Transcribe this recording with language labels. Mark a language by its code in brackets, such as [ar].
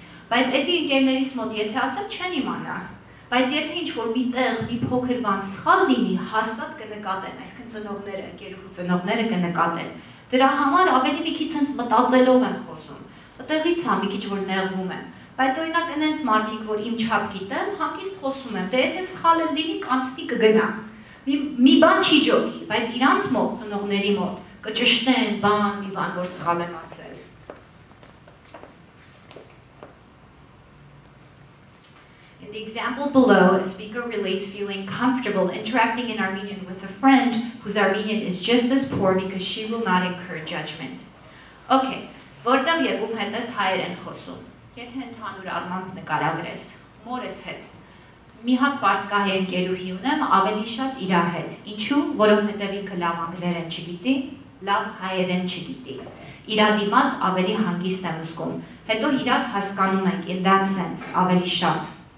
[hy] Բայց այդ ընկերներիս մոտ եթե ասեմ, չեն իմանա։ Բայց եթե ինչ-որ միտեղ մի փոքր բան սխալ լինի, հաստատ կնկատեն, այսինքն ծնողները, ընկերուհու ծնողները կնկատեն։ Դրա համար ավելի մի քիչ ցենց մտածելով եմ խոսում։ Այդտեղից է մի քիչ որ նեղվում եմ։ Բայց օրինակ այնպես մարդիկ, որ իմ չափ գիտեմ, հագիստ խոսում եմ, դե եթե սխալը լինի, կանստի կգնա։ մի բան չի ճոկի, բայց իրանց մոտ ծնողների մոտ կճշտեն բան, մի բան, որ սխալ եմ ասել։ [en] In the example below, a speaker relates feeling comfortable interacting in Armenian with a friend whose Armenian is just as poor because she will not incur judgment. [hy] Okay, որտեղ եկում հետս հայերեն խոսում։ Եթե ընդհանուր առմամբ նկարագրես, մորս հետ։ Մի հատ պարսկահայ ընկերուհի ունեմ, ավելի շատ իր հետ։ Ինչու՞, որովհետև ինքը լավ անգլերեն չգիտի, լավ հայերեն չգիտի։ Իրա դիմաց ավելի հանգիստ եմ զգում, հետո իրար հասկանում ենք, [en] in that sense, [hy] ավելի շատ։